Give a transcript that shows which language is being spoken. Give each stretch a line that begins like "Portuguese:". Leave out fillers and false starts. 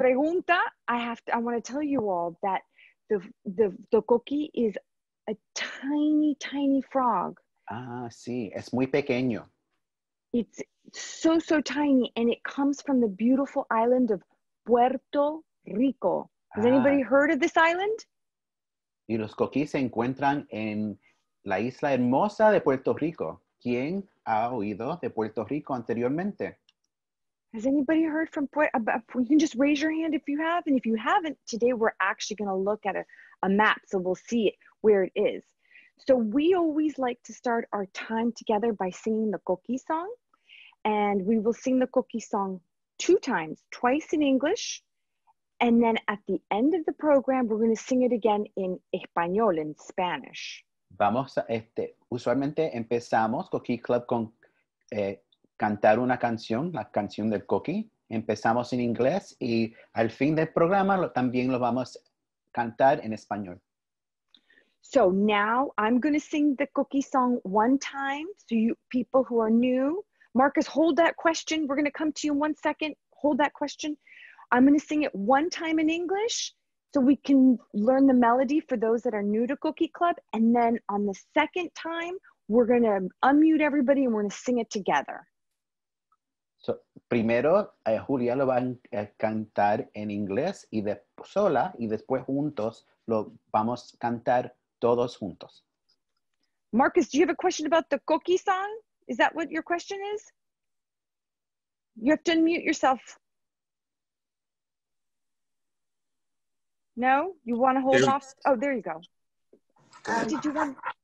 English: Pregunta, I want to tell you all that the coquí is a tiny, tiny frog.
Spanish: Ah, sí. Es muy pequeño.
English: It's so, so tiny, and it comes from the beautiful island of Puerto Rico. Has anybody heard of this island?
Spanish: Y los coquís se encuentran en la isla hermosa de Puerto Rico. ¿Quién ha oído de Puerto Rico anteriormente?
English: Has anybody heard from Puerto Rico? You can just raise your hand if you have, and if you haven't, today we're actually going to look at a map, so we'll see it, where it is. So we always like to start our time together by singing the coquí song. And we will sing the coquí song two times, twice in English. And then at the end of the program, we're going to sing it again in español, in Spanish.
Spanish: Vamos a, usualmente empezamos Coquí Club con cantar una canción, la canción del coquí. Empezamos en inglés y al fin del programa también lo vamos a cantar en español.
English: So now I'm going to sing the coquí song one time. So you people who are new, Marcus, hold that question. We're going to come to you in 1 second. Hold that question. I'm going to sing it one time in English so we can learn the melody for those that are new to Coquí Club. And then on the second time, we're going to unmute everybody and we're going to sing it together.
Spanish: So primero, Julia lo va a cantar en inglés y de sola y después juntos lo vamos a cantar. Todos juntos.
English: Marcus, do you have a question about the coquí song? Is that what your question is? You have to unmute yourself. No? You want to hold off? Oh, there you go. Did you want...